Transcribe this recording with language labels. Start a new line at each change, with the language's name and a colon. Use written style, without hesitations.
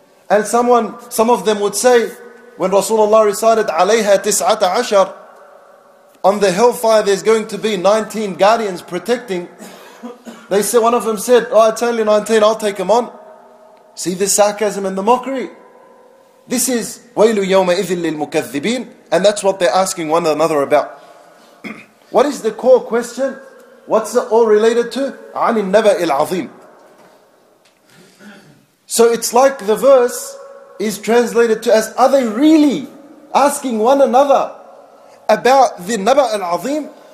English: And some of them would say, when Rasulullah recited Alayha Tis'ata Ashar, on the hellfire there's going to be 19 guardians protecting. They said, one of them said, oh, it's only 19, I'll take them on. See the sarcasm and the mockery. This is
Arabic: وَيْلُ يَوْمَئِذٍ لِلْمُكَذِّبِينَ.
English: And that's what they're asking one another about. What is the core question? What's it all related to?
Arabic: عَنِ النَّبَأِ الْعَظِيمِ.
English: So it's like the verse is translated to as, are they really asking one another about the
Arabic: نَبَأِ الْعَظِيمِ?